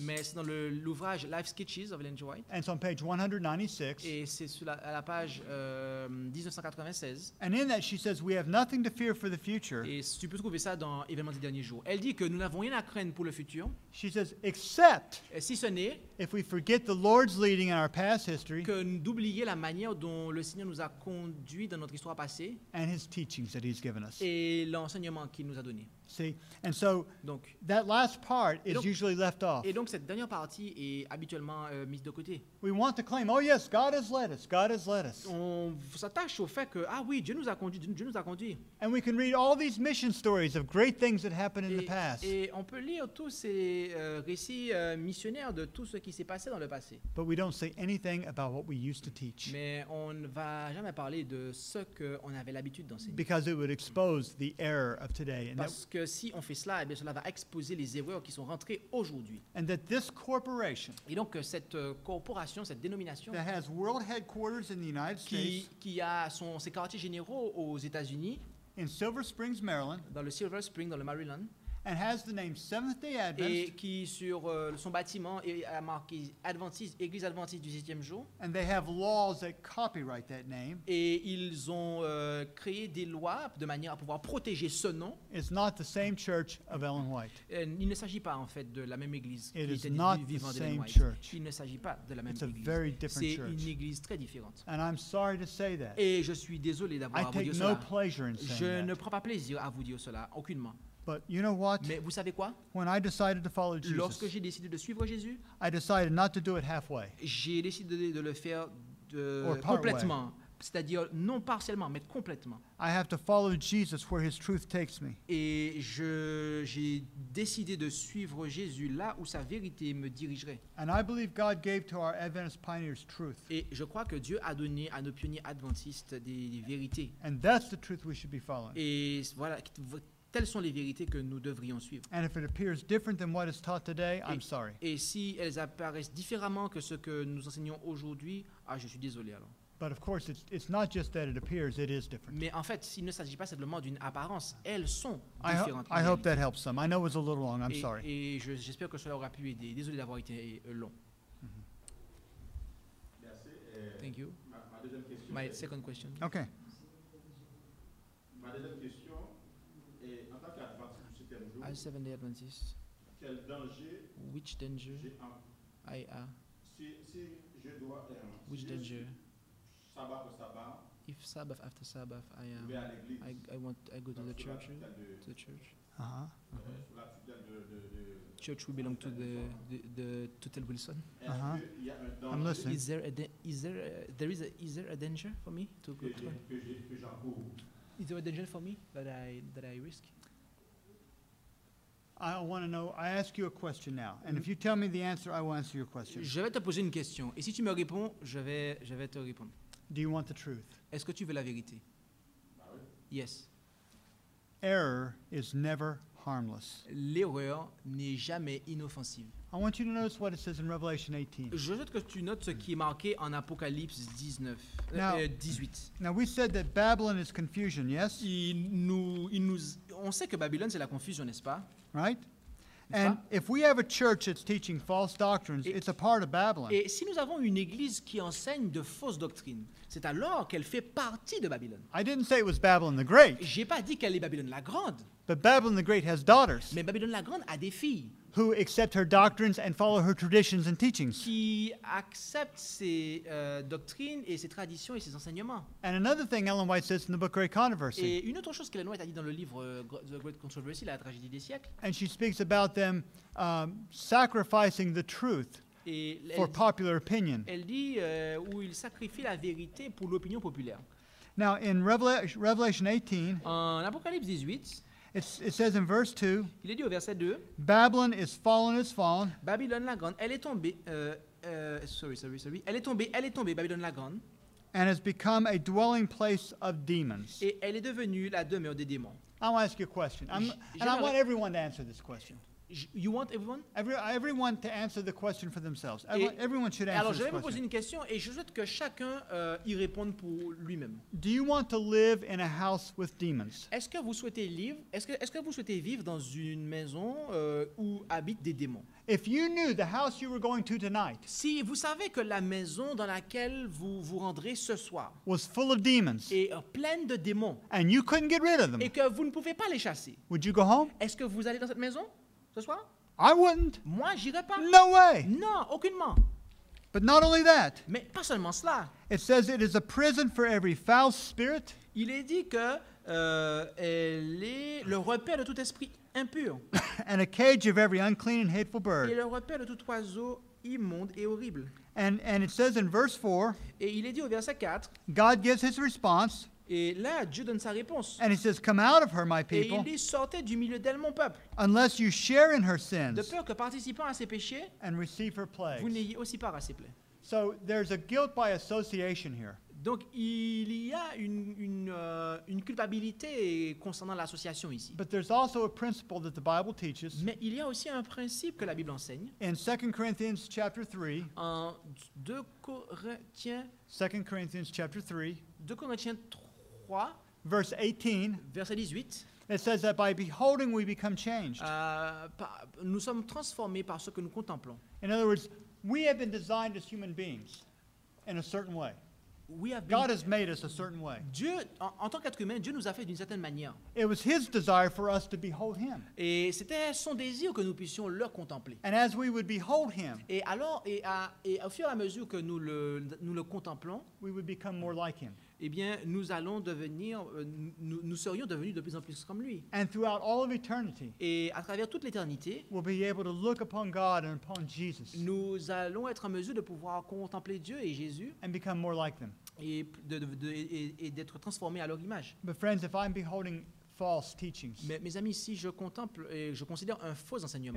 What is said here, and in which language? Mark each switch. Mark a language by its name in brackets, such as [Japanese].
[French] Mais c'est dans l'ouvrage Life Sketches of Ellen White. [English] And it's on page 196. [French] Et c'est à la page 1996. [English] And in that she says we have nothing to fear for the future. [French] Et tu peux trouver ça dans l'événement des derniers jours. Elle dit que nous n'avons rien à craindre pour le futur. [English] She says, except [French] si ce n'est [English] if we forget the Lord's leading in our past history, [French] que d'oublier la manière dont le Seigneur nous a conduit dans notre histoire passée [English] and his teachings that he's given us. [French] Et l'enseignement qu'il nous a donné. [English] See? And so, [French] donc, [English] that last part is donc, usually left off. [French] Et donc, cette dernière partie est habituellement mise de côté. [English] We want to claim, oh yes, God has led us, God has led us. [French] On s'attache au fait que, ah oui, Dieu nous a conduit, Dieu nous a conduit. [English] And we can read all these mission stories of great things that happened in the past. [French] Et on peut lire tous ces récits missionnaires de tout ce qui s'est passé dans le passé. [English] But we don't say anything about what we used to teach. [French] Mais on ne va jamais parler de ce qu'on avait l'habitude d'enseigner. [English] Because it would expose the error of today. [French] And parce que si on fait cela, eh bien cela va exposer les erreurs qui sont rentrées aujourd'hui. [English] And that this corporation, [French] et donc cette corporation, cette dénomination [English] that has world headquarters in the United States, [French] qui a ses quartiers généraux aux États-Unis [English] in Silver Springs, Maryland, [French] dans le Silver Spring, dans le Maryland, [English] and has the name Seventh-day Adventist. [French] Et qui sur son bâtiment est marqué Adventiste, Église Adventiste du 7e jour. [English] And they have laws that copyright that name. [French] Et ils ont créé des lois de manière à pouvoir protéger ce nom. [English] It's not the same church of Ellen White. [French] Il ne s'agit pas en fait de la même église. [English] It [French] qui [English] is not the same church. [French] Il ne s'agit pas de la même [English] It's [French] église. [English] A very different [French] C'est [English] church. [French] Une église très différente. [English] And I'm sorry to say that. [French] Et je suis désolé d'avoir [English] I [French] à vous dire cela. [English] Pleasure in saying [French] je [English] that. [French] Ne prends pas plaisir à vous dire cela, aucunement. [English] But you know what? [French] Mais vous savez quoi? [English] When I decided to follow Jesus, [French] lorsque j'ai décidé de suivre Jésus, [English] I decided not to do it halfway. [French] J'ai décidé de le faire de complètement, way. C'est-à-dire non partiellement, mais complètement. [English] I have to follow Jesus where His truth takes me. [French] Et j'ai décidé de suivre Jésus là où sa vérité me dirigerait. [English] And I believe God gave to our Adventist pioneers truth. [French] Et je crois que Dieu a donné à nos pionniers adventistes des vérités. [English] And that's the truth we should be following. [French] Et voilà. Telles sont les vérités que nous devrions suivre. [English] And if it appears different than what is taught today, [French] et, [English] I'm sorry. [French] Et si elles apparaissent différemment que ce que nous enseignons aujourd'hui, ah, je suis désolé alors. [English] But of course, it's not just that it appears, it is different. [French] Mais en fait, il ne s'agit pas simplement d'une apparence. Elles sont différentes. [English] I hope that helps some. I know it was a little long. I'm [French] et, [English] sorry. [French] Et j'espère que cela aura pu aider. Désolé d'avoir été long. Mm-hmm. Merci. [English] Thank you. My second question. Okay. [French] Ma deuxième question. [English] As Seventh-day Adventist, [French] quel danger [English] which danger [French] j'ai [English] I am? [French] Si je dois, [English] which [French] si [English] danger? Sabbath, if Sabbath after Sabbath I am, I go to the church. To the church. Church will belong to the Tutel Wilson. Uh-huh. I'm listening. Is there a danger for me to go to? Is there a danger for me that I risk? I want to know. I ask you a question now, and if you tell me the answer, I will answer your question. [French] Je vais te poser une question, et si tu me réponds, je vais te répondre. [English] Do you want the truth? [French] Est-ce que tu veux la vérité? Yes. [English] Error is never harmless. [French] L'erreur n'est jamais inoffensive. [English] I want you to notice what it says in Revelation 18. [French] Je veux que tu notes ce qui est marqué en Apocalypse 18. [English] Now we said that Babylon is confusion, yes? [French] On sait que Babylone c'est la confusion, n'est-ce pas? [English] Right? And if we have a church that's teaching false doctrines, it's a part of Babylon. [French] Et si nous avons une église qui enseigne de fausses doctrines, c'est alors qu'elle fait partie de Babylone. [English] I didn't say it was Babylon the Great. [French] J'ai pas dit qu'elle est Babylone la Grande. [English] But Babylon the Great has daughters. [French] Mais Babylone la Grande a des filles. [English] Who accept her doctrines and follow her traditions and teachings. [French] Qui accepte ses doctrines et ses traditions et ses enseignements. [English] And another thing Ellen White says in the book Great Controversy. [French] Et une autre chose qu'Ellen White a dit dans le livre The Great Controversy, La Tragédie des Siècles. [English] And she speaks about them sacrificing the truth for popular opinion. [French] Elle dit où ils sacrifient la vérité pour l'opinion populaire. [English] Now in Revelation 18. [French] En Apocalypse 18. [English] It says in verse 2. [French] Il est dit au verset 2. [English] Babylon is fallen, is fallen. [French] Babylone la grande, elle est tombée. Sorry. Elle est tombée. Babylone la grande. [English] And has become a dwelling place of demons. [French] Et elle est devenue la demeure des démons. [English] I want to ask you a question. I want everyone to answer this question. You want everyone? Everyone to answer the question for themselves. Everyone should answer [French] alors, [English] this question. [French] Alors, je vais vous poser une question et je souhaite que chacun y réponde pour lui-même. [English] Do you want to live in a house with demons? [French] Est-ce que vous souhaitez vivre dans une maison où habitent des démons? [English] If you knew the house you were going to tonight. [French] Si vous savez que la maison dans laquelle vous vous rendrez ce soir [English] was full of demons. [French] Est pleine de démons. [English] And you couldn't get rid of them. [French] Et que vous ne pouvez pas les chasser. [English] Would you go home? [French] Est-ce que vous allez dans cette maison? Ce soir? [English] I wouldn't. [French] Moi, j'irai pas. [English] No way. [French] Non, aucunement. [English] But not only that. [French] Mais pas seulement cela. [English] It says it is a prison for every foul spirit. [French] Il est dit que elle est le repère de tout esprit impur. [English] And a cage of every unclean and hateful bird. [French] Et le repère de tout oiseau immonde et horrible. [English] And it says in verse 4. [French] Et il est dit au verset 4. [English] God gives his response. [French] Et là, Dieu donne sa réponse. [English] And he says, "Come out of her, my people." [French] Et il dit, sortez du milieu d'elle, mon peuple. [English] Unless you share in her sins. [French] De peur que participant à ses péchés. [English] And receive her plagues. [French] Vous n'ayez aussi part à ses plaies. [English] So there's a guilt by association here. [French] Donc il y a une culpabilité concernant l'association ici. [English] But there's also a principle that the Bible teaches. [French] Mais il y a aussi un principe que la Bible enseigne. [English] In 2 Corinthians chapter 3. [French] En 2 Corinthiens. [English] 2 Corinthians chapter 3. [French] 2 Corinthiens 3. [English] Verse 18. [French] Verset 18. [English] It says that by beholding we become changed. [French] Nous sommes transformés par ce que nous contemplons. [English] In other words, we have been designed as human beings in a certain way. God has made us a certain way. [French] Dieu, en tant qu'être humain, Dieu nous a fait d'une certaine manière. [English] It was His desire for us to behold Him. [French] Et c'était son désir que nous puissions le contempler. [English] And as we would behold Him, [French] et au fur et à mesure que nous le contemplons, [English] we would become more like Him. [French] Eh bien, nous serions devenus de plus en plus comme lui. [English] And throughout all of eternity, [French] et à travers toute l'éternité, [English] we'll be able to look upon God and upon Jesus. [French] Nous allons être en mesure de pouvoir contempler Dieu et Jésus. [English] And become more like them. [French] Et d'être transformés à leur image. [English] But friends, if I'm beholding false teachings, [French] mais mes amis, si je contemple et je considère un faux enseignement,